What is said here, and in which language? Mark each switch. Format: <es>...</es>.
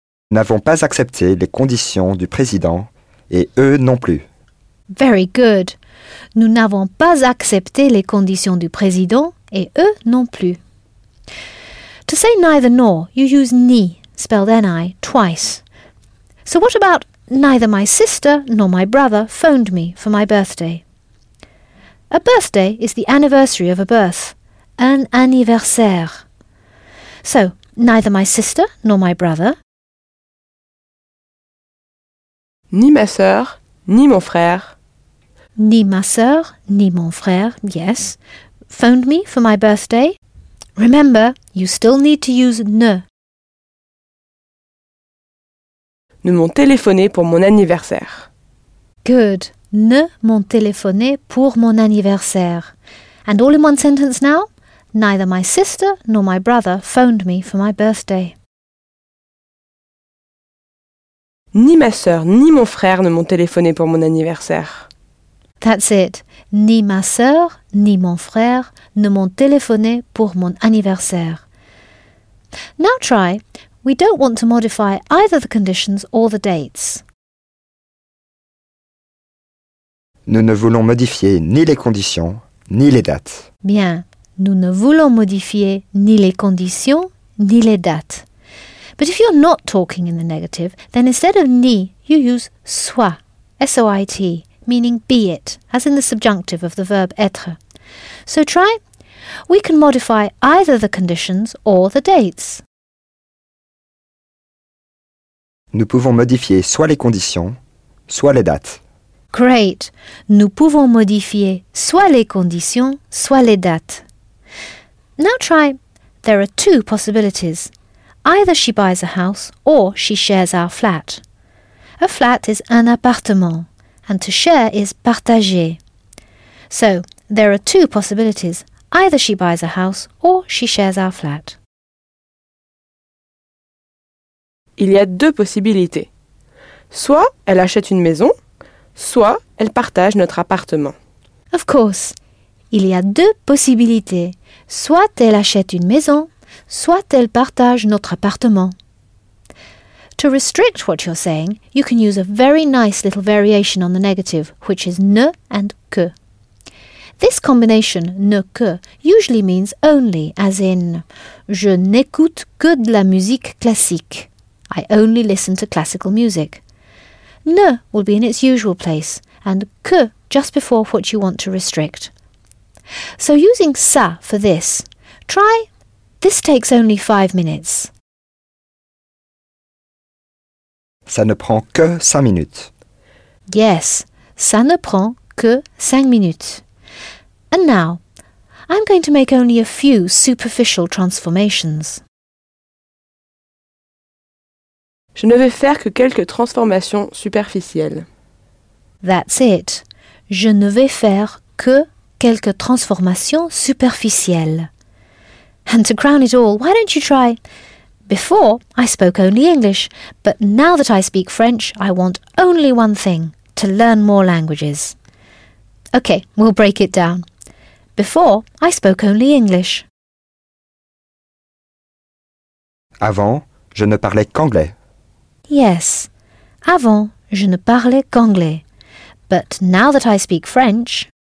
<fr>Nous n'avons pas accepté les conditions du président et eux non plus.</fr> <en>Very good.</en> <fr>Nous n'avons pas accepté les conditions du président et eux non plus.</fr> <en>To say neither nor, you use ni, spelled N-I, twice. So what about neither my sister nor my brother phoned me for my birthday. A birthday is the anniversary of a birth,</en> <fr>un anniversaire.</fr> <en>So, neither my sister nor my brother,</en> <fr>ni ma sœur, ni mon frère. Ni ma sœur, ni mon frère,</fr> <en>yes, phoned me for my birthday. Remember, you still need to use ne.</en> <fr>Ne m'ont téléphoné pour mon anniversaire.</fr> <en>Good.</en> <fr>Ne m'ont téléphoné pour mon anniversaire.</fr> <en>And all in one sentence now? Neither my sister nor my brother phoned me for my birthday.</en> <fr>Ni ma sœur ni mon frère ne m'ont téléphoné pour mon anniversaire.</fr> <en>That's it.</en> <fr>Ni ma sœur ni mon frère ne m'ont téléphoné pour mon anniversaire.</fr> <en>Now try. We don't want to modify either the conditions or the dates.</en> <fr>Nous ne voulons modifier ni les conditions ni les dates. Bien. Nous ne voulons modifier ni les conditions ni les dates.</fr> <en>But if you're not talking in the negative, then instead of ni, you use soit, S-O-I-T, meaning be it, as in the subjunctive of the verb être. So try. We can modify either the conditions or the dates.</en> <fr>Nous pouvons modifier soit les conditions, soit les dates.</fr> <en>Great.</en> <fr>Nous pouvons modifier soit les conditions, soit les dates.</fr> <en>Now try. There are two possibilities. Either she buys a house or she shares our flat. A flat is</en> <fr>un appartement,</fr> <en>and to share is partager. So, there are two possibilities. Either she buys a house or she shares our flat.</en> <fr>Il y a deux possibilités. Soit elle achète une maison, soit elle partage notre appartement.</fr> <en>Of course.</en> <fr>Il y a deux possibilités. Soit elle achète une maison, soit elle partage notre appartement.</fr> <en>To restrict what you're saying, you can use a very nice little variation on the negative, which is ne and que. This combination, ne que, usually means only, as in</en> <fr>je n'écoute que de la musique classique.</fr> <en>I only listen to classical music. Ne will be in its usual place, and que just before what you want to restrict. So using ça for this, try this takes only 5 minutes.</en> <fr>Ça ne prend que 5 minutes.</fr> <en>Yes,</en> <fr>ça ne prend que 5 minutes.</fr> <en>And now, I'm going to make only a few superficial transformations.</en> <fr>Je ne vais faire que quelques transformations superficielles.</fr> <en>That's it.</en> <fr>Je ne vais faire que quelques transformations superficielles.</fr> <en>And to crown it all, why don't you try? Before, I spoke only English, but now that I speak French, I want only one thing, to learn more languages. Okay, we'll break it down. Before, I spoke only English.</en> <fr>Avant, je ne parlais qu'anglais.</fr> <en>Yes.</en> <fr>Avant, je ne parlais qu'anglais.</fr> <en>But now that I speak French...</en>